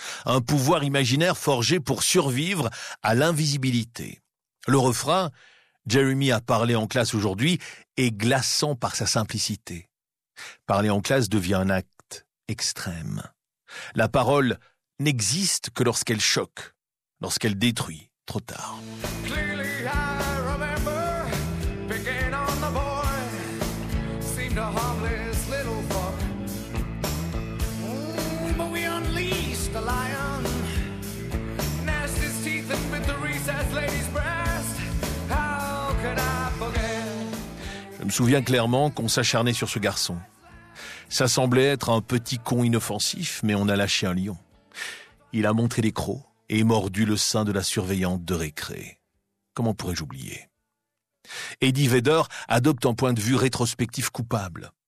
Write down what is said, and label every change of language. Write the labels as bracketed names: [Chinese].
[French] Un pouvoir imaginaire forgé pour survivre à l'invisibilité. Le refrain « Jeremy a parlé en classe aujourd'hui » et glaçant par sa simplicité. Parler en classe devient un acte extrême. La parole n'existe que lorsqu'elle choque, lorsqu'elle détruit trop tard. [English] Clearly I remember picking on the boy, seemed a harmless little fuck. But we unleashed the lion, gnashed his teeth and bit the recess lady's breast. How could I forget? [French] Je me souviens clairement qu'on s'acharnait sur ce garçon. Ça semblait être un petit con inoffensif, mais on a lâché un lion. Il a montré les crocs et mordu le sein de la surveillante de récré. Comment pourrais-je oublier ? Eddie Vedder adopte un point de vue rétrospectif coupable.